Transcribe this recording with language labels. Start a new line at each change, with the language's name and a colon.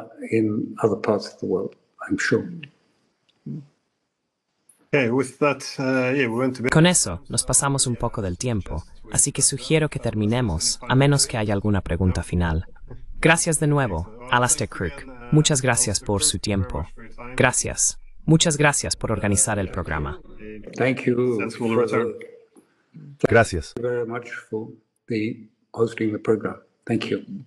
English: In other parts of the world, I'm sure. Okay, with that, yeah, we went to bed.
Spanish: Con eso, nos pasamos un poco del tiempo, así que sugiero que terminemos, a menos que haya alguna pregunta final. Gracias de nuevo, Alastair Crook. Muchas gracias por su tiempo. Gracias. Muchas gracias por organizar el programa.
English: Thank you.
Spanish: Gracias.
English: Thank you very much for hosting the program. Thank you.